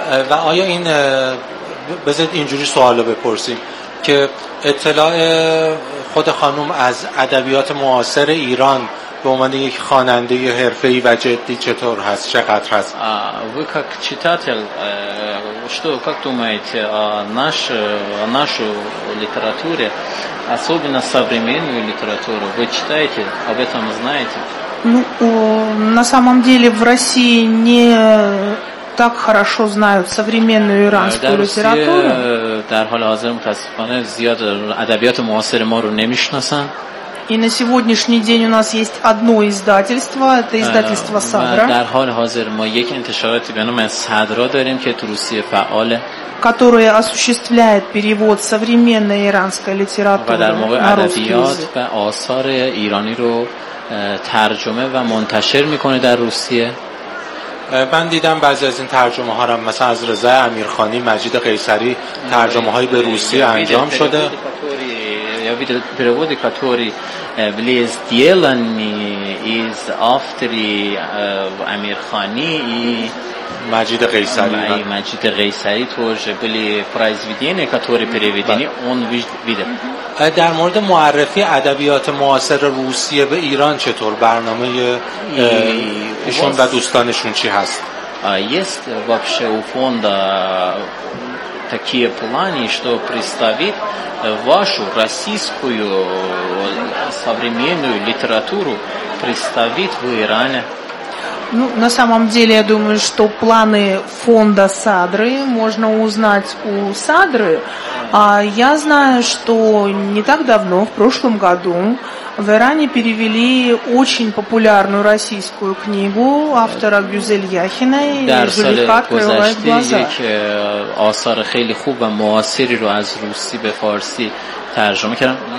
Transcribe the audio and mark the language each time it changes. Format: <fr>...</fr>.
<fa>و آیا این بذارید اینجوری سوالو بپرسیم که اطلاع خود خانم از ادبیات معاصر ایران به عنوان یک خواننده حرفه‌ای و جدی چطور هست، چقدر هست؟</fa> <ru>Вы как читатель, что как думаете о нашу литературе, особенно современную литературу, вы читаете, об этом знаете? Ну, на самом деле в России не так хорошо знают современную иранскую литературу.</ru> <fa>در حال حاضر متاسفانه زیاد ادبیات معاصر ما رو نمی‌شناسن.</fa> <ru>И на сегодняшний день у нас есть одно издательство, это издательство Садра.</ru> <fa>در حال حاضر ما یک انتشاراتی به نام صدرا داریم که تو روسیه فعال.</fa> <ru>Которое осуществляет перевод современной иранской литературы.</ru> <fa>در موقع ادبیات و آثار ایرانی رو ترجمه و منتشر می‌کنه در روسیه. من دیدم بعضی از این ترجمه ها را مثلا از رضا امیرخانی، مجید قیصری ترجمه های به روسی انجام شده.</fa> <ru>Я видел переводы, которые были сделаны из авторы Амирхани и Маджида Гейсари. И Маджида Гейсари тоже были произведения, которые переведены, он видел.</ru> <fa>در مورد معرفی ادبیات معاصر روسیه به ایران چطور، برنامه ایشون و دوستانشون چی هست؟</fa> <ru>Есть вообще у фонда такие планы, что представить вашу российскую современную литературу, представить в Иране? Ну, на самом деле, я думаю, что планы фонда Садры можно узнать у Садры. А я знаю, что не так давно, в прошлом году, в Иране перевели очень популярную российскую книгу автора Гюзель Яхиной «Зулейха открывает глаза».</ru> <fa>آثار خیلی خوب و معاصری رو از روسی به فارسی ترجمه کردم.</fa>